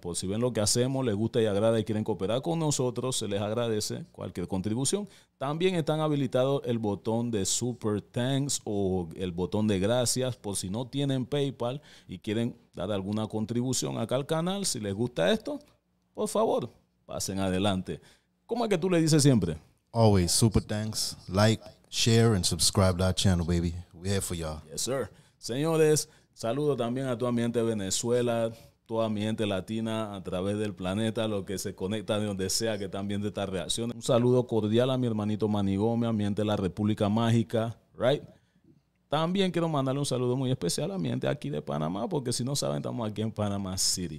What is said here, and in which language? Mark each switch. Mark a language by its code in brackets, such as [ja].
[es] Por si ven lo que hacemos, les gusta y agrada y quieren cooperar con nosotros, se les agradece cualquier contribución. También están habilitados el botón de Super Thanks o el botón de gracias. Por si no tienen PayPal y quieren dar alguna contribución acá al canal, si les gusta esto, por favor, pasen adelante. ¿Cómo es que tú le dices siempre? [en] Always Super Thanks, like, share and subscribe to our channel, baby. We're here for y'all. Yes, sir. [es] Señores, saludo también a toda mi gente de Venezuela, toda mi gente latina a través del planeta, los que se conectan de donde sea que están viendo esta reacción. Un saludo cordial a mi hermanito Manny Gómez, a mi gente de la República Mágica, right? También quiero mandarle un saludo muy especial a mi gente aquí de Panamá, porque si no saben, estamos aquí en Panama City.